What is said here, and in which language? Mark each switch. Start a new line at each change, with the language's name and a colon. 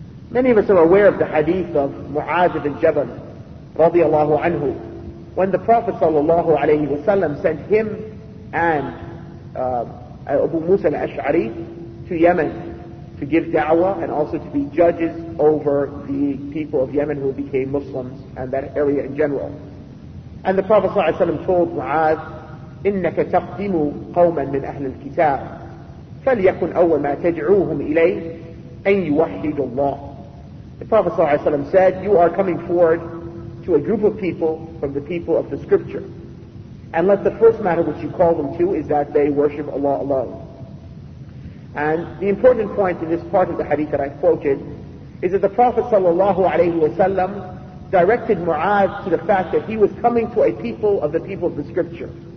English: Many of us are aware of the hadith of Mu'adh ibn Jabal, radiallahu anhu, when the Prophet sallallahu alayhi wa sallam sent him and Abu Musa al-Ash'ari to Yemen to give da'wah and also to be judges over the people of Yemen who became Muslims and that area in general. And the Prophet sallallahu alayhi wa sallam told Mu'adh,
Arabic: إِنَّكَ تَقْدِمُ قَوْمًا مِنْ أَهْلِ الْكِتَابِ فَلْيَكُنْ أَوَّلْ مَا تَجْعُوهُمْ إِلَيْهِ أَنْ يُوَحِّدُ اللَّهِ.
English: The Prophet sallallahu alayhi wa sallam said, you are coming forward to a group of people from the people of the scripture. And let the first matter which you call them to is that they worship Allah alone. And the important point in this part of the hadith that I quoted is that the Prophet sallallahu alayhi wa sallam directed Mu'adh to the fact that he was coming to a people of the people of the scripture.